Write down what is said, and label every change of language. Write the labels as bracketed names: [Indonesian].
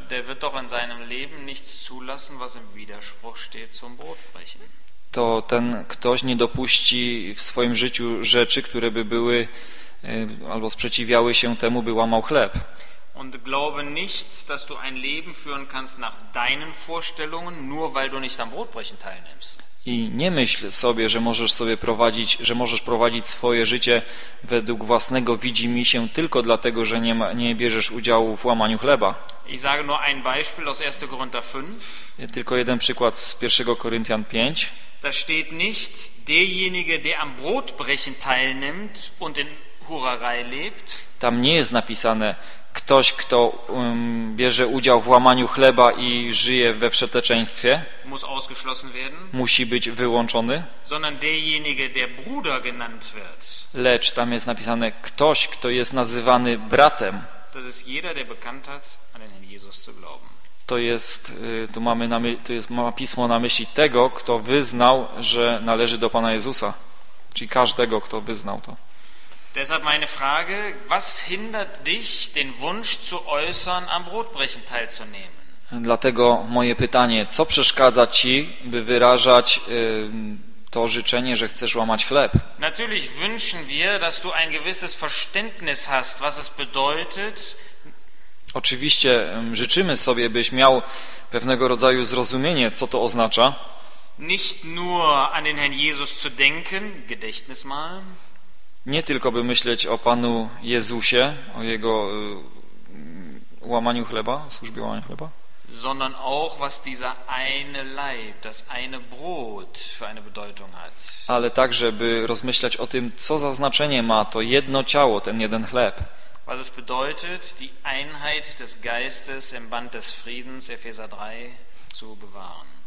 [German] Der wird doch in seinem Leben nichts zulassen, was im Widerspruch steht zum Brotbrechen. [Polish] To ten ktoś nie dopuści w swoim życiu rzeczy, które by były albo sprzeciwiały się temu, by łamał chleb. [German] Und glaube nicht, dass du ein Leben führen kannst nach deinen Vorstellungen, nur weil du nicht am Brotbrechen teilnimmst. [Polish] I nie myśl sobie, że możesz sobie prowadzić, że możesz prowadzić swoje życie według własnego widzimisię tylko dlatego, że nie bierzesz udziału w łamaniu chleba. [German] Ich sage nur ein Beispiel aus 1. Korinther 5. [Polish] Ja, tylko jeden przykład z 1. Koryntian 5. [German] Da steht nicht derjenige, der am Brotbrechen teilnimmt und in Hurerei lebt. [Polish] Tam nie jest napisane ktoś, kto bierze udział w łamaniu chleba i żyje we wszeteczeństwie, [German] muss ausgeschlossen werden, [Polish] musi być wyłączony, [German] sondern derjenige, der Bruder genannt wird. [Polish] Lecz tam jest napisane ktoś, kto jest nazywany bratem. [German] Das ist jeder, der bekannt hat, an den Jesus zu glauben. [Polish] To jest, tu mamy na my, tu jest, ma pismo na myśli tego, kto wyznał, że należy do Pana Jezusa. Czyli każdego, kto wyznał to. [German] Deshalb meine Frage, was hindert dich, den Wunsch zu äußern, am Brotbrechen teilzunehmen? [Polish] Dlatego moje pytanie, co przeszkadza ci, by wyrażać to życzenie, że chcesz łamać chleb? [German] Natürlich wünschen wir, dass du ein gewisses Verständnis hast, was es bedeutet. [Polish] Oczywiście życzymy sobie, byś miał pewnego rodzaju zrozumienie, co to oznacza. [German] Nicht nur an den Herrn Jesus zu denken, Gedächtnis mal. [Polish] Nie tylko by myśleć o Panu Jezusie, o jego łamaniu chleba, służbie łamania chleba, [German] sondern auch was dieser eine Leib, das eine Brot für eine Bedeutung hat. [Polish] Ale także by rozmyślać o tym, co za znaczenie ma to jedno ciało, ten jeden chleb. [German] Was es bedeutet, die Einheit des Geistes im Band des Friedens, Epheser 3, zu bewahren.